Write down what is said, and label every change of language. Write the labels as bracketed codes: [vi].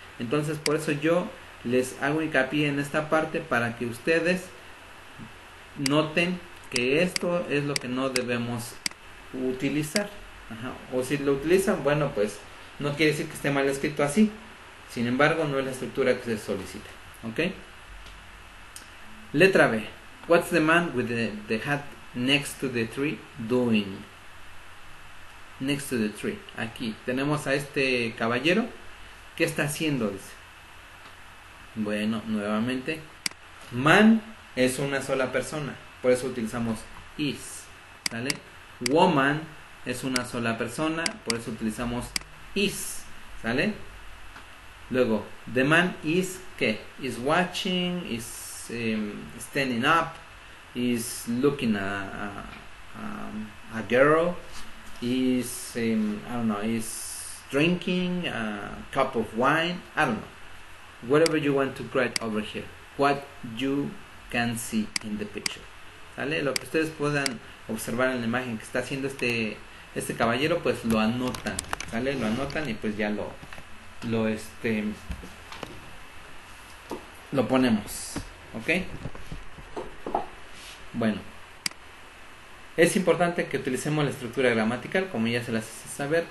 [es] Entonces, por eso yo les hago hincapié en esta parte para que ustedes noten que esto es lo que no debemos utilizar. Ajá. O si lo utilizan, bueno, pues no quiere decir que esté mal escrito así. Sin embargo, no es la estructura que se solicita. ¿Ok? Letra B. [en] What's the man with the hat next to the tree doing? Next to the tree. [es] Aquí tenemos a este caballero. ¿Qué está haciendo? Dice. Bueno, nuevamente. Man es una sola persona. Por eso utilizamos is, ¿sale? Woman es una sola persona, por eso utilizamos is, ¿sale? [en] Luego, the man is ¿qué? Is watching, is standing up, is looking a girl, is, I don't know, is drinking a cup of wine, I don't know. Whatever you want to write over here, what you can see in the picture. [es] ¿Sale? Lo que ustedes puedan observar en la imagen que está haciendo este caballero, pues lo anotan, ¿sale? Lo anotan y pues ya lo ponemos, ¿ok? Bueno, es importante que utilicemos la estructura gramatical, como ya se las hace saber.